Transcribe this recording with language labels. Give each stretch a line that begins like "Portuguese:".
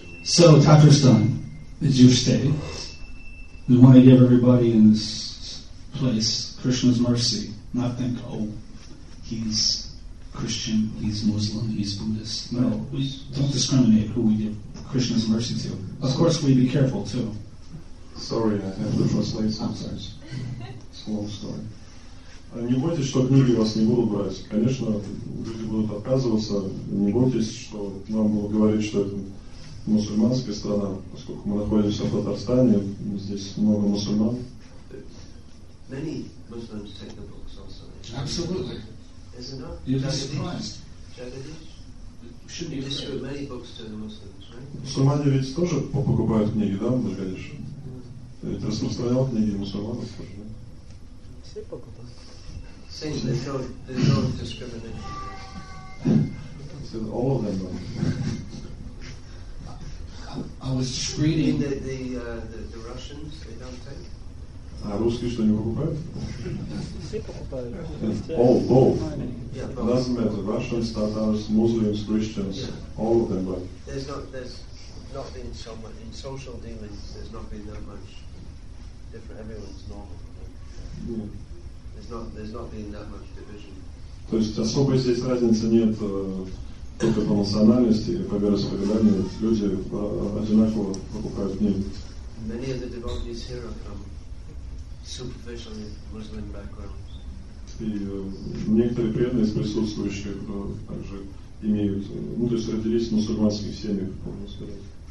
English: So Tatarstan is your state. We want to give everybody in this place Krishna's mercy, not think, oh, he's Christian, he's Muslim, he's Buddhist. No, we don't discriminate who we give Krishna's mercy to. Of course, we be careful, too. Sorry, I have to translate sometimes. It's a long story.
Russian: Не бойтесь, что книги вас не будут брать. Конечно, люди будут отказываться. Не бойтесь, что нам будут говорить, что это... мусульманская страна, поскольку мы находимся в Татарстане, здесь много мусульман.
English: Many Muslims take the books also. Absolutely. Is it not? You'd be surprised. Jagadish? Should be distributed afraid. Many books to the Muslims, right?
Russian: Мусульмане ведь тоже покупают книги, да, Джагадиш? Mm-hmm. Ведь распространял книги мусульманов тоже, да? Все покупают.
English: Seems they don't discriminate. All of them, right? I was reading the Russians, they don't take.
Russian: А русские что не покупают? Все покупают.
English: All, both. It doesn't matter. Russians, Tatars, Muslims, Christians, yeah. All of them. But there's not been so much in social dealings. There's not been that much different. Everyone's normal. Right? Yeah. There's not been that much division.
Russian: То есть особой здесь разницы нет. Только по национальности и по вероисповеданию люди одинаково покупают деньги.
English: Many of the devotees here are from superficially Muslim backgrounds.
Russian: И некоторые преданные из присутствующих также имеют, ну то есть родились в мусульманских семьях, можно сказать.